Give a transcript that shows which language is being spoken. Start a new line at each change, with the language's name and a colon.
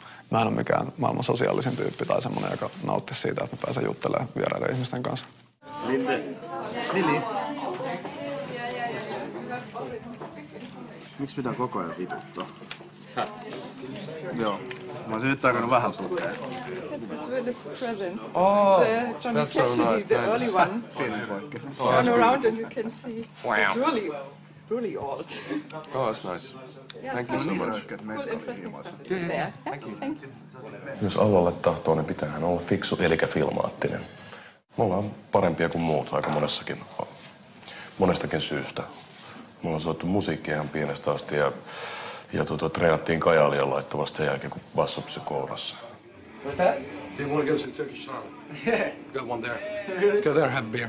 Finnish: Mä en ole mikään maailman sosiaalisin tyyppi tai semmonen, joka nauttisi siitä, että mä pääsen juttelemaan vieraiden ihmisten kanssa. Lille. Lili. Miksi pitää koko ajan vituttaa? Joo. Mä oon nyt tarjonnut vähän sulle.
English: This is Swedish present. Oh, the Johnny Cash, so nice, the early one. Oh, turn around and you can see. Wow. It's really, really old. Oh, that's nice. Yeah, thank you so much. Good interesting stuff. Thank you.
Finnish: Jos alalle tahtoo, niin pitää hän olla fiksu, eli filmaattinen. Me ollaan parempia kuin muut aika monestakin syystä. Me ollaan soittu musiikkia ihan pienestä asti ja treenattiin Kajalia laittomasti sen jälkeen, kun basso pysyi kourassa.
English: What's that? Do you want to go to some Turkish shop? Yeah. Got one there. Really? Let's go there and have a beer.